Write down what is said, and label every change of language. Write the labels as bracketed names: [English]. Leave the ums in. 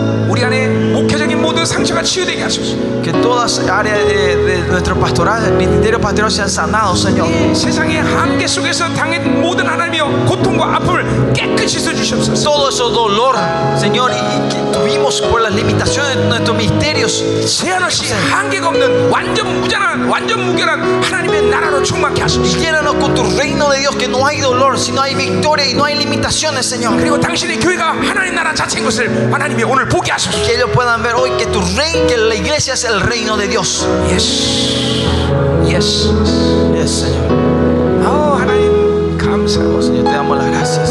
[Korean] 우리 안에 목회적인 모든 상처가 치유되게 하소서. [Spanish] Que todas áreas de, de nuestro pastoral, ministerio pastoral sean sanados, Señor. [Korean] 세상의 한계 속에서 당한 모든 하나님여 고통과 아픔을 깨끗이 씻어 주시옵소서. [Spanish] Todo ese dolor, Señor, y que tuvimos por las limitaciones de nuestros ministerios, sean así. [Korean] 한계가 없는 완전 무장한 완전 무결한 하나님의 나라로 충만케 하소서. [Spanish] Llénanos con tu reino de Dios que no hay dolor, sino hay victoria y no hay limitaciones, Señor. [Korean] 그리고 당신의 교회가 하나님 나라 자체인 것을 하나님이 오늘 보게 하소서. [Spanish] Y que ellos puedan ver hoy que tu reino que la iglesia es el reino de Dios. Yes. Yes. Yes, Señor. Oh, 하나님. Oh, Señor, te damos las gracias.